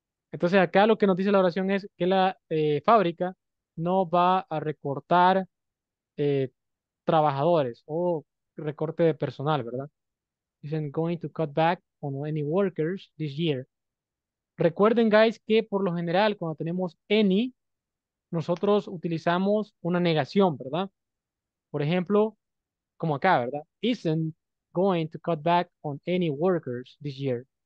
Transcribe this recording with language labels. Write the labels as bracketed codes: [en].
[es] Entonces acá lo que nos dice la oración es que la fábrica no va a recortar trabajadores o recorte de personal, ¿verdad? [en] Isn't going to cut back on any workers this year. [es] Recuerden, guys, que por lo general cuando tenemos any, nosotros utilizamos una negación, ¿verdad? Por ejemplo, como acá, ¿verdad? [en] Isn't going to cut back on any workers this year.